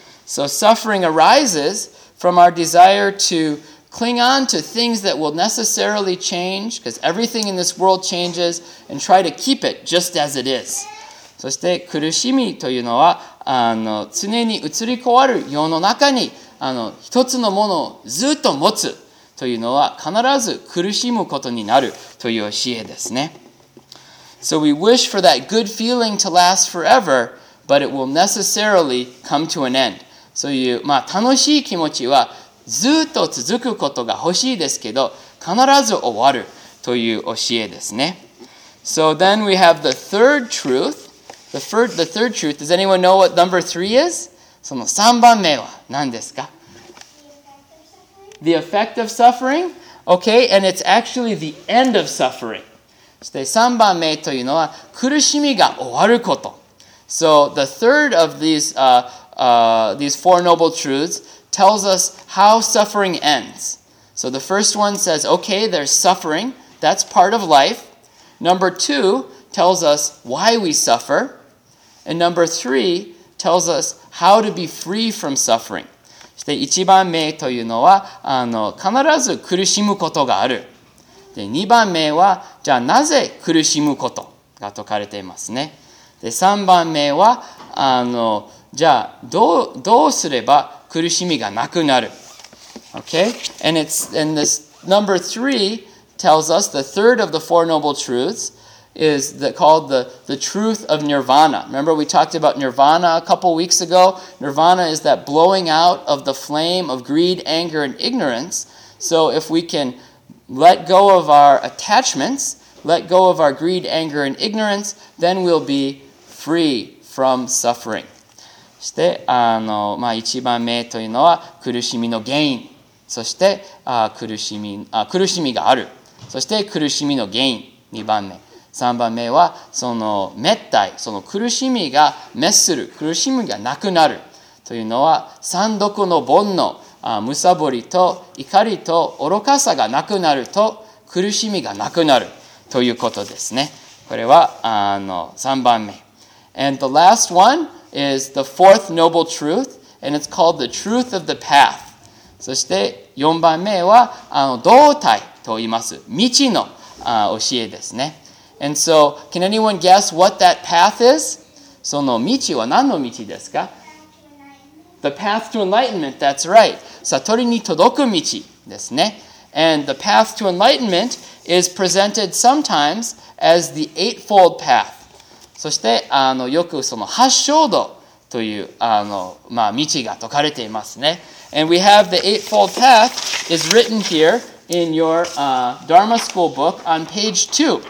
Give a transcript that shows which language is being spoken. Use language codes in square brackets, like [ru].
[en] So suffering arises from our desire toCling on to things that will necessarily change, because everything in this world changes, and try to keep it just as it is. [ja] そして苦しみというのは常に移り変わる世の中に一つのものをずっと持つというのは必ず苦しむことになるという教えですね。 [en] So we wish for that good feeling to last forever, but it will necessarily come to an end. [ja] そういう、まあ、楽しい気持ちはずっと続くことが欲しいですけど、必ず終わるという教えですね。 [en] So then we have the third truth. The third truth. Does anyone know what number three is? [ja] その三番目は何ですか？ [en] The effect of suffering. Okay, and it's actually the end of suffering. [ja] そして三番目というのは苦しみが終わること。 [en] So the third of these four noble truths. Tells us how suffering ends. So the first one says, okay, there's suffering. That's part of life. Number two tells us why we suffer. And number three tells us how to be free from suffering. [ja] そして1番目というのは、必ず苦しむことがある。で、2番目は、じゃあなぜ苦しむことが説かれていますね。で、3番目は、じゃあどうすれば苦しみがなくなる。 [en] Okay? And this number three tells us the third of the Four Noble Truths is called the truth of nirvana. Remember we talked about nirvana a couple weeks ago? Nirvana is that blowing out of the flame of greed, anger, and ignorance. So if we can let go of our attachments, let go of our greed, anger, and ignorance, then we'll be free from suffering. [ja] そして、一番目というのは苦しみの原因。そして、苦しみがある。そして、苦しみの原因。二番目。三番目は、その滅体、その苦しみが滅する。苦しみがなくなる。というのは、三毒の煩悩、むさぼりと怒りと愚かさがなくなると、苦しみがなくなる。ということですね。これは、三番目。 [en] And the last one is the fourth noble truth, and it's called the truth of the path. [ja] そして、四番目は、道体と言います。道の、教えですね。 [en] And so, can anyone guess what that path is? [ja] その道は何の道ですか? [en] The path to enlightenment, that's right. [ja] 悟りに届く道ですね。 [en] And the path to enlightenment is presented sometimes as the eightfold path. [ja] そしてよくその八正道という道が説かれていますね。 [en] And we have the eightfold path is written here in your Dharma School book on page 2.